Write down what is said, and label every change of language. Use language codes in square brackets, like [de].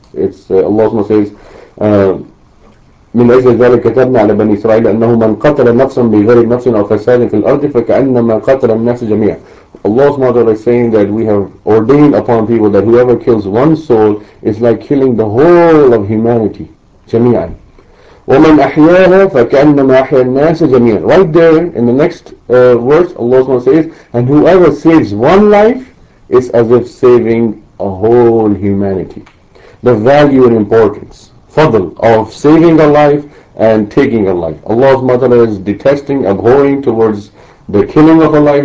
[en] It's Allah says, [ar] من أجل ذلك كتبنا على بني إسرائيل أنه من قتل نفسا بغير نفس أو فساد في الأرض فكأنما قتل الناس جميعا. [en] Allah SWT is saying that we have ordained upon people that whoever kills one soul is like killing the whole of humanity جميعا. [ar] ومن أحياها فكأنما أحيا الناس جميعا. [en] Right there in the next verse Allah SWT says, and whoever saves one life is as if saving a whole humanity. The value and importance fadl of saving a life and taking a life. Allah SWT is detesting, abhorring towards the killing of a life.